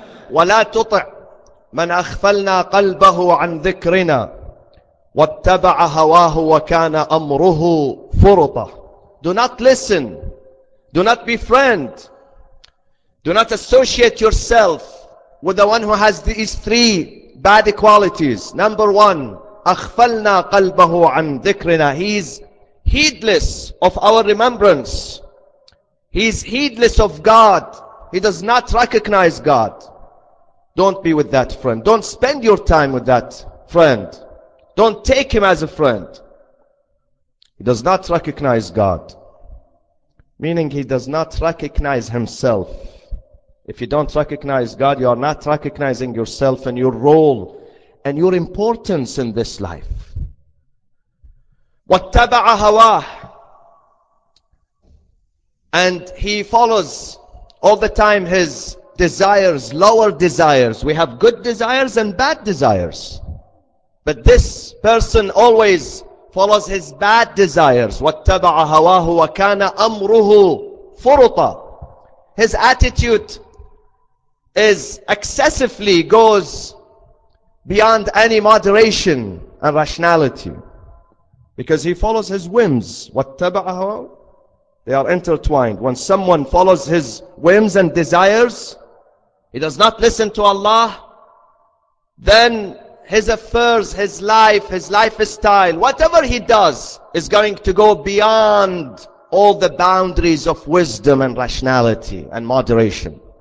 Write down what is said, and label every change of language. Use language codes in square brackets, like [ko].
[ar] وَلَا تُطِعْ مَنْ أَخْفَلْنَا قَلْبَهُ عَنْ ذِكْرِنَا وَاتَّبَعَ هَوَاهُ وَكَانَ أَمْرُهُ فُرُطًا. [en] Do not listen. Do not befriend. Do not associate yourself with the one who has these three bad qualities. Number one, [ar] أَخْفَلْنَا قَلْبَهُ عَنْ ذِكْرِنَا. [en] He is heedless of our remembrance. He is heedless of God. He does not recognize God. Don't be with that friend. Don't spend your time with that friend. Don't take him as a friend. He does not recognize God. Meaning he does not recognize himself. If you don't recognize God, you are not recognizing yourself and your role and your importance in this life. [ar] وَاتَّبَعَ هَوَاهُ. [en] And he follows all the time his desires, lower desires. We have good desires and bad desires. But this person always follows his bad desires. [ar] وَاتَّبَعَ هَوَاهُ وَكَانَ أَمْرُهُ فُرُطًا. [en] His attitude is excessively goes beyond any moderation and rationality. Because he follows his whims. [ar] وَاتَّبَعَ هَوَاهُ. [en] They are intertwined. When someone follows his whims and desires, he does not listen to Allah, then his affairs, his lifestyle, whatever he does, is going to go beyond all the boundaries of wisdom and rationality and moderation.